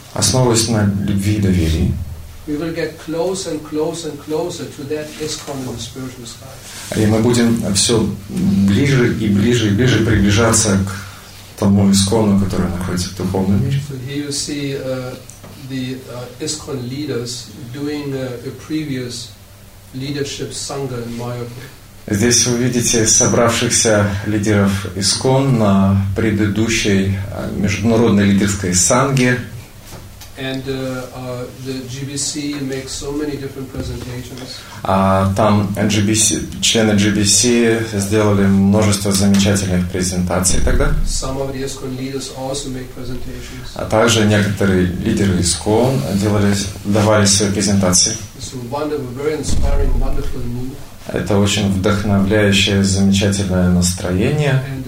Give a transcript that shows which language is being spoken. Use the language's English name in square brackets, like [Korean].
[Russian] Основываясь на любви и доверии. [English] We will get closer and closer and closer to that ISKCON in the spiritual sky. [Russian] И мы будем все ближе и ближе и ближе приближаться к тому ИСККОНу, который находится в духовном мире. [English] So here you see the ISKCON leaders doing a previous leadership sangha in Mayapur. [Russian] Здесь вы видите собравшихся лидеров ИСККОН на предыдущей международной лидерской санге. [English] And the GBC makes so many different presentations. [Russian] Там GBC, члены GBC сделали множество замечательных презентаций тогда. [English] Some of the ISKCON leaders also make presentations. [Russian] А также некоторые лидеры ИСККОН давали свои презентации. [English] It's a wonderful, very inspiring, wonderful move. [Russian] Это очень вдохновляющее, замечательное настроение.